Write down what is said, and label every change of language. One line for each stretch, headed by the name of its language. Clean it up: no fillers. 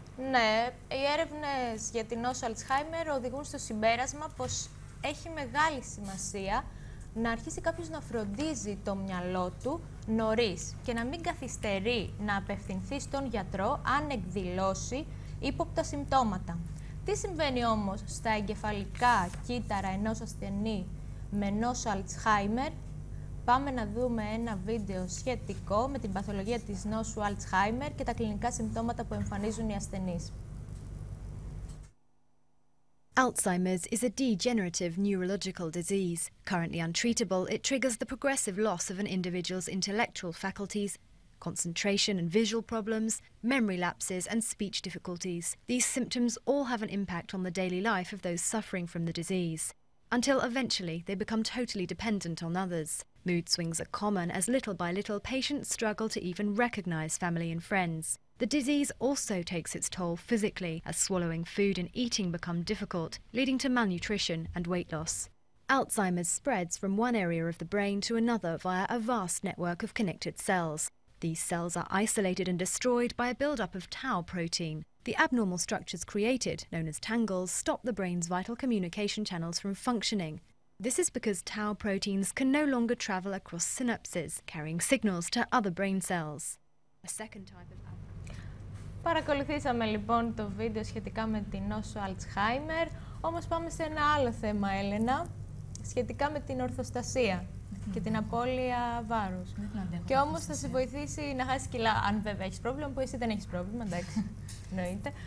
Greek: Ναι, οι έρευνες για την νόσο Αλτσχάιμερ οδηγούν στο συμπέρασμα πως έχει μεγάλη σημασία να αρχίσει κάποιος να φροντίζει το μυαλό του νωρίς και να μην καθυστερεί να απευθυνθεί στον γιατρό αν εκδηλώσει ύποπτα συμπτώματα. Τι συμβαίνει όμως στα εγκεφαλικά κύτταρα ενός ασθενή με νόσο Αλτσχάιμερ? Πάμε να δούμε ένα βίντεο σχετικό με την παθολογία της νόσου Alzheimer και τα κλινικά συμπτώματα που εμφανίζουν οι ασθενείς.
English: Alzheimer's is a degenerative neurological disease. Currently untreatable, it triggers the progressive loss of an individual's intellectual faculties, concentration and visual problems, memory lapses and speech difficulties. These symptoms all have an impact on the daily life of those suffering from the disease, until eventually they become totally dependent on others. Mood swings are common as little by little patients struggle to even recognize family and friends. The disease also takes its toll physically, as swallowing food and eating become difficult, leading to malnutrition and weight loss. Alzheimer's spreads from one area of the brain to another via a vast network of connected cells. These cells are isolated and destroyed by a buildup of tau protein. The abnormal structures created, known as tangles, stop the brain's vital communication channels from functioning. This is because tau proteins can no longer travel across synapses, carrying signals to other brain cells. A second type of
Greek: Παρακολουθήσαμε λοιπόν το βίντεο σχετικά με την νόσο Alzheimer, όμως πάμε σε ένα άλλο θέμα, Έλενα, σχετικά με την ορθοστασία και την απώλεια βάρους. Και όμως θα σε βοηθήσει να χάσεις κιλά, αν βέβαια έχεις πρόβλημα, που εσύ δεν έχεις πρόβλημα, εντάξει, εννοείται.